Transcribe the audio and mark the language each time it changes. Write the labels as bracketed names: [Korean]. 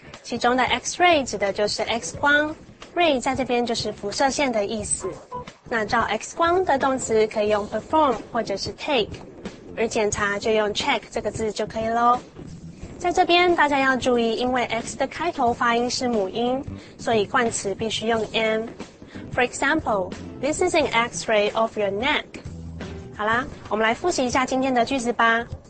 [Chinese] 其中的 x-ray 指的就是 X 光。Ray 在这边就是辐射线的意思。那照 X 光的动词可以用 perform 或者是 take, 而检查就用 check 这个字就可以咯。在这边大家要注意，因为 X 的开头发音是母音，所以冠词必须用 M. [English] For example, this is an x-ray of your neck. [Chinese] 好啦，我们来复习一下今天的句子吧。